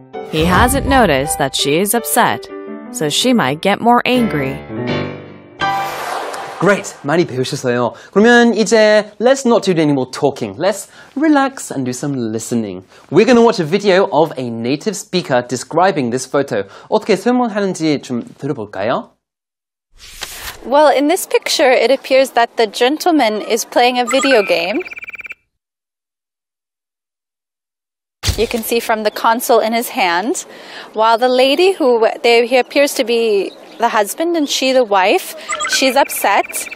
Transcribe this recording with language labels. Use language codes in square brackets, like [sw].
[en] He hasn't noticed that she is upset, so she might get more angry. Great! [ko] 많이 배우셨어요. 그러면 이제 [en] let's not do any more talking. Let's relax and do some listening. We're going to watch a video of a native speaker describing this photo. [ko] 어떻게 설명하는지 좀 들어볼까요? [en] Well, in this picture, it appears that the gentleman is playing a video game. You can see from the console in his hand. While the lady who he appears to be the husband and she the wife, she's upset.